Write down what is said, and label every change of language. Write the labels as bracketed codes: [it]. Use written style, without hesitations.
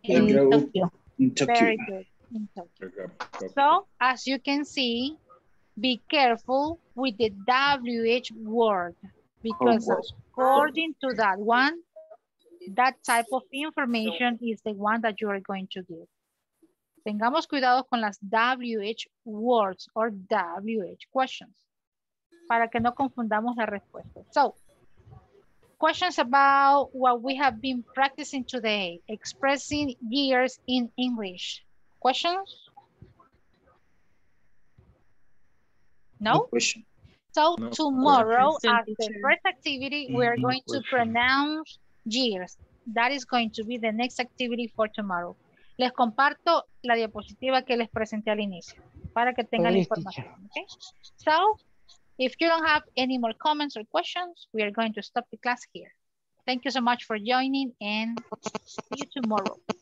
[en] Very good, in Tokyo. So as you can see, be careful with the WH word. Because according to that one, that type of information is the one that you are going to give. [es] tengamos cuidado con las [en] WH words or WH questions [es] para que no confundamos la respuesta. [en] So, questions about what we have been practicing today, expressing years in English. Questions? No? So no. Tomorrow, as the first activity, we are going to pronounce years. That is going to be the next activity for tomorrow. [es] Les comparto la diapositiva que les presenté al inicio para que tengan la información. [en] Okay? So, if you don't have any more comments or questions, we are going to stop the class here. Thank you so much for joining and see you tomorrow.